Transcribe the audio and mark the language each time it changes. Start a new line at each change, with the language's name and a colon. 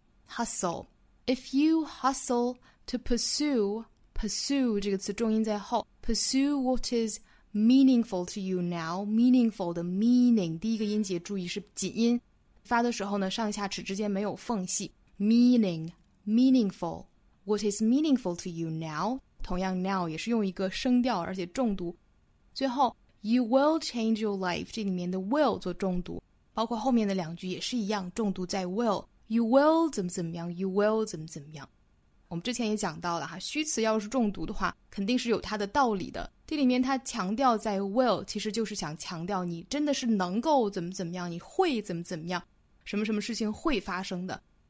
English: If you hustle to pursue
Chinese: 这个词重音在后
English: pursue what is meaningful to you now
Chinese: meaningful 的 meaning 第一个音节注意是紧音发的时候呢上下齿之间没有缝隙 meaningful
English: What is meaningful to you now?
Chinese: 同样 now 也是用一个声调而且重读。最后 ,
English: you will change your life,
Chinese: 这里面的 will 做重读。包括后面的两句也是一样重读在 will。You will 怎么怎么样 ,you will 怎么怎么样。我们之前也讲到了哈虚词要是重读的话肯定是有它的道理的。这里面它强调在 will, 其实就是想强调你真的是能够怎么怎么样你会怎么怎么样什么什么事情会发生的。